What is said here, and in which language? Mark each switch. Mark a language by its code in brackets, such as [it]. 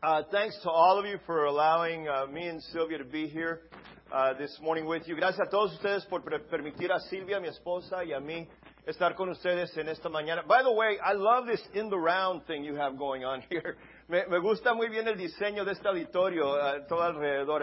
[en] Thanks to all of you for allowing me and Sylvia to be here this morning with you. [es] Gracias a todos ustedes por permitir a Sylvia, mi esposa, y a mí estar con ustedes en esta mañana. [en] By the way, I love this in the round thing you have going on here. [es] Me gusta muy bien el diseño de este auditorio todo alrededor.